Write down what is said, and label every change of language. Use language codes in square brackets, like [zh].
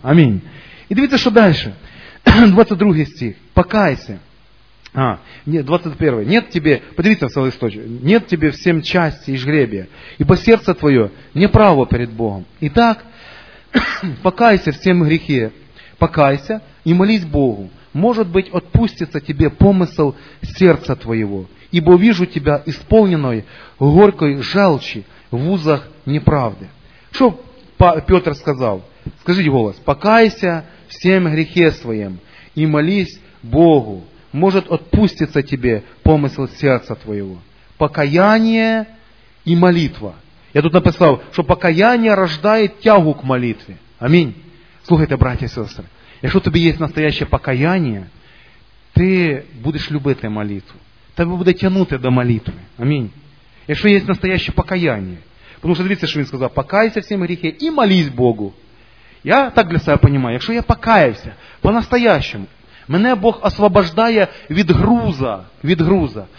[uk] Амінь. І дивіться, що далі. 22 стих. Покайся. А, 21. [ru] Нет тебе, [uk] подивіться в свій листочок. Нет тебе всім часті і жребія. Ібо серце твоє неправо перед Богом. І так, покайся всім гріхи. Покайся і молись Богу. [ru] Может быть, отпустится тебе помысел сердца твоего, ибо вижу тебя исполненной горькой желчи в узах неправды. Что Петр сказал? Скажите голос. Покайся всем грехе своем и молись Богу. Может, отпустится тебе помысел сердца твоего. Покаяние и молитва. Я тут написал, что покаяние рождает тягу к молитве. Аминь. Слухайте, братья и сестры. [uk] Якщо тобі є настояще покаяння, ти будеш любити молитву. Тебе буде тягнути до молитви. Амінь. Якщо є настояще покаяння. Тому що дивіться, що він сказав. Покайся всім гріхи і молись Богу. Я так для себе розумію. Якщо я покаявся по-настоящему, мене Бог освобождає від груза. Від груза.